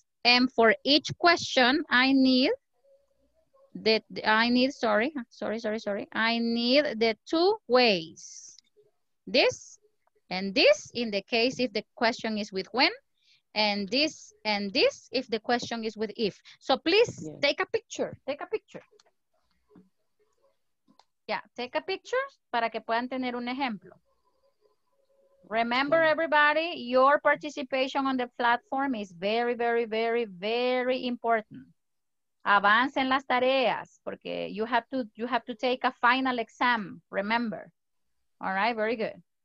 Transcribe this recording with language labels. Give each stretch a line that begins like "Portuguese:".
English: And for each question, I need the two ways. This and this in the case if the question is with when. And this if the question is with if. So please, yeah, take a picture. Yeah, take a picture
Spanish: para que puedan tener un ejemplo.
English: Remember, everybody, your participation on the platform is very, very, very, very important.
Spanish: Avancen las tareas, porque
English: you have to take a final exam, remember. All right, very good.